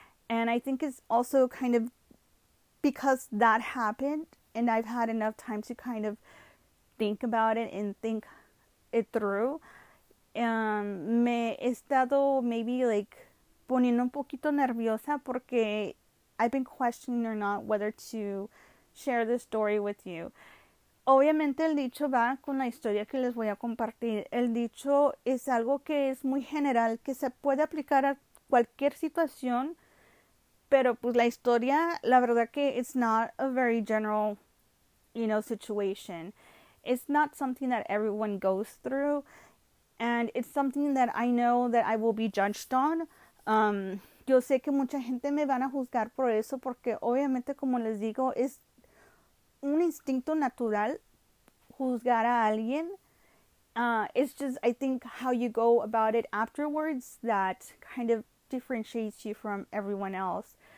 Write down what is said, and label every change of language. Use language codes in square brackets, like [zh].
[en] And I think it's also kind of because that happened and I've had enough time to kind of think about it and think it through. [es] Me he estado [en] maybe like [es] poniendo un poquito nerviosa porque [en] I've been questioning or not whether to share this story with you. [es] Obviamente el dicho va con la historia que les voy a compartir. El dicho es algo que es muy general, que se puede aplicar a cualquier situación, pero pues la historia, la verdad que [en] it's not a very general, you know, situation. It's not something that everyone goes through, and it's something that I know that I will be judged on. [es] Yo sé que mucha gente me van a juzgar por eso, porque obviamente, como les digo, es un instinto natural juzgar a alguien. [en] It's just, I think, how you go about it afterwards that kind of differentiates you from everyone else.